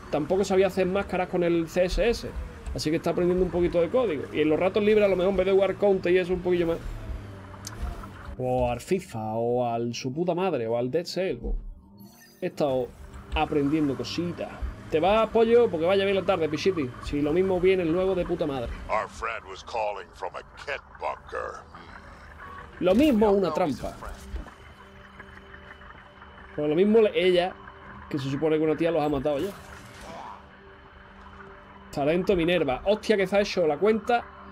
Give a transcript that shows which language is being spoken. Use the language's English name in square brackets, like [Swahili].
[Spanish] Tampoco sabía hacer máscaras con el CSS. Así que está aprendiendo un poquito de código. Y en los ratos libres, a lo mejor, en vez de jugar Counter y eso, un poquillo más. O al FIFA, o al su puta madre, o al Dead Cell. He estado aprendiendo cositas. ¿Te va, pollo? Porque vaya bien la tarde, Pichiti. Si lo mismo viene luego de puta madre. [English] Our friend was calling from a Ket bunker. [Spanish] Lo mismo una trampa. Pero lo mismo ella, que se supone que una tía los ha matado ya. Talento Minerva. Hostia, que se ha hecho la cuenta.